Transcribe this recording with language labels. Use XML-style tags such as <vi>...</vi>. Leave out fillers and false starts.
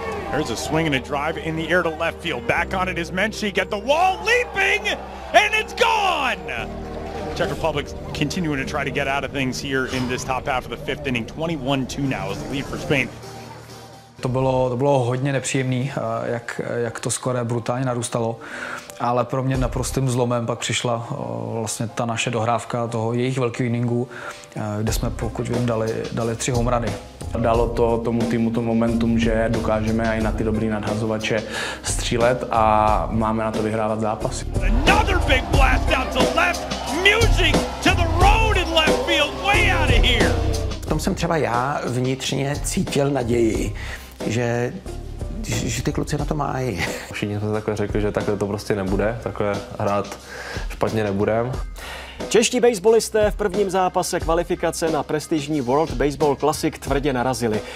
<en>There's a swing and a drive in the air to left field. Back on it is Menchik at the wall, leaping, and it's gone! Czech Republic continuing to try to get out of things here in this top half of the fifth inning. 21-2 now is the lead for Spain.</en> <cs>To bylo hodně nepříjemné, jak to skoro brutálně narůstalo. Ale pro mě naprostým zlomem pak přišla vlastně ta naše dohrávka toho jejich velkého inningu, kde jsme, pokud vím, dali 3 homerany. Dalo to tomu týmu to momentum, že dokážeme i na ty dobrý nadhazovače střílet a máme na to vyhrávat zápasy.</cs> <en>Another big blast out to left, music to the road in left field, way out of here.</en> <cs>V tom jsem třeba já vnitřně cítil naději, že ty kluci na to mají. Všichni jsme takhle řekli, že takhle to prostě nebude, takhle hrát špatně nebudem. Čeští baseballisté v prvním zápase kvalifikace na prestižní World Baseball Classic tvrdě narazili.</cs>